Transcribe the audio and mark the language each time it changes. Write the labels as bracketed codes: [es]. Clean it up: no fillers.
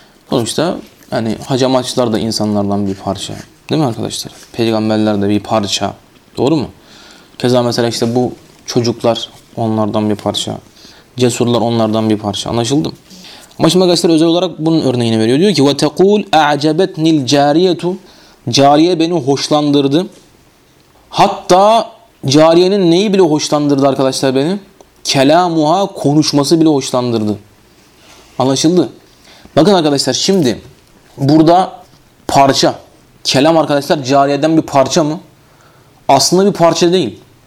[tr] Sonuçta yani hacamatçılar da insanlardan bir parça. Değil mi arkadaşlar? Peygamberler de bir parça. Doğru mu? Keza mesela işte bu çocuklar onlardan bir parça. Cesurlar onlardan bir parça. Anlaşıldı mı? Ama şimdi arkadaşlar özel olarak bunun örneğini veriyor. [ar] Diyor ki وَتَقُولْ اَعْجَبَتْنِ الْجَارِيَةُ. [tr] Cariye beni hoşlandırdı. Hatta cariyenin neyi bile hoşlandırdı arkadaşlar beni? [ar] كَلَامُهَا. [tr] Konuşması bile hoşlandırdı. Anlaşıldı. Bakın arkadaşlar şimdi burada parça. Kelam arkadaşlar cariyeden bir parça mı? Aslında bir parça değil.